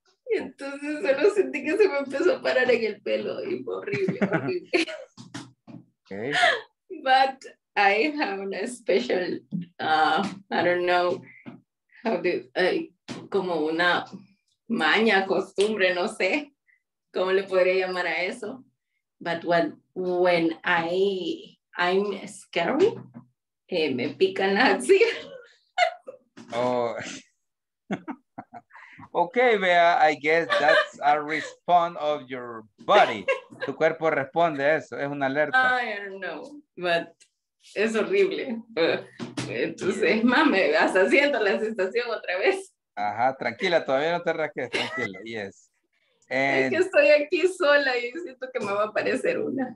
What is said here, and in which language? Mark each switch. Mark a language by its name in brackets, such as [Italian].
[Spanish] Y entonces solo sentí que se me empezó a parar en el pelo. Y fue horrible, horrible. [English] Okay. But I have a special, I don't know, how did I, [Spanish] como una... maña, costumbre, no sé cómo le podría llamar a eso. [English] But when I'm scary, [Spanish] me pican las axilas. Oh. [English] Okay, Bea, I guess that's a response of your body. [Spanish] Tu cuerpo responde a eso, es una alerta. [English] I don't know, but [Spanish] es horrible. Entonces, mame, vas haciendo la sensación otra vez. Ajá, tranquila, todavía no te rasques, tranquila, yes. Es que estoy aquí sola y siento que me va a aparecer una.